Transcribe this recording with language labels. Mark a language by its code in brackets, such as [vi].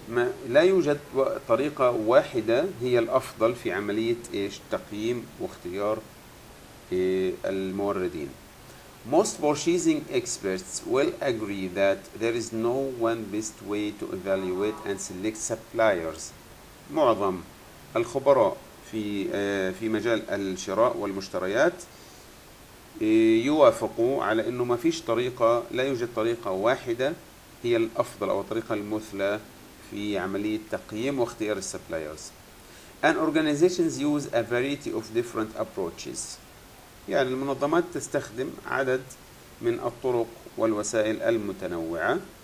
[ar] ما لا يوجد طريقة واحدة هي الأفضل في عملية تقييم واختيار الموردين. [en] Most purchasing experts will agree that there is no one best way to evaluate and select suppliers. [ar] معظم الخبراء في مجال الشراء والمشتريات يوافقوا على انه ما فيش طريقة، لا يوجد طريقة واحدة هي الافضل او الطريقة المثلى في عملية تقييم واختيار السبلايرز. [en] And organizations use a variety of different approaches. [ar] يعني المنظمات تستخدم عدد من الطرق والوسائل المتنوعة.